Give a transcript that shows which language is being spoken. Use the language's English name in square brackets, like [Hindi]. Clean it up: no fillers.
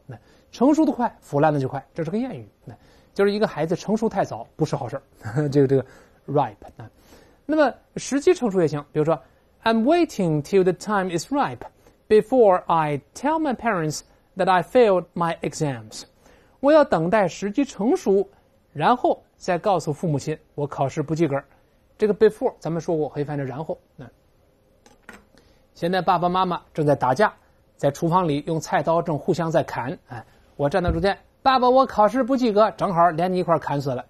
[Chinese] 那成熟的快，腐烂的就快，这是个谚语。那就是一个孩子成熟太早，不是好事。这个 ripe。那么时机成熟也行，比如说 ， [English] I'm waiting till the time is ripe before I tell my parents that I failed my exams。 [Chinese] 我要等待时机成熟，然后再告诉父母亲我考试不及格。这个 before 咱们说过，可以翻成然后。那现在爸爸妈妈正在打架，在厨房里用菜刀正互相在砍，哎，我站到中间，爸爸，我考试不及格，正好连你一块砍死了。